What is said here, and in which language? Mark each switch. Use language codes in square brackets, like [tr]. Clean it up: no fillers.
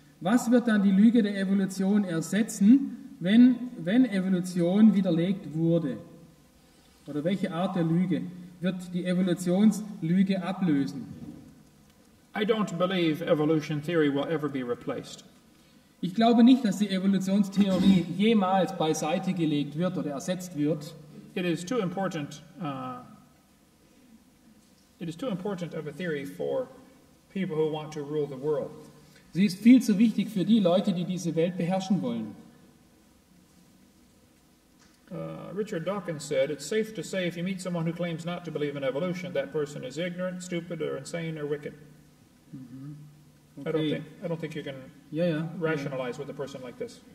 [de] Was wird dann die Lüge der Evolution ersetzen, wenn Evolution widerlegt wurde? Oder welche Art der Lüge wird die Evolutionslüge ablösen? [en] I don't believe evolution theory will ever be replaced. [de] Ich glaube nicht, dass die Evolutionstheorie jemals beiseite gelegt wird oder ersetzt wird. [en] It is too important. It is too important of a theory for people who want to rule the world. [de] Sie ist viel zu wichtig für die Leute, die diese Welt beherrschen wollen. [en] Richard Dawkins said, "It's safe to say if you meet someone who claims not to believe in evolution, that person is ignorant, stupid, or insane, or wicked." Okay. I don't think you can rationalize with a person like this.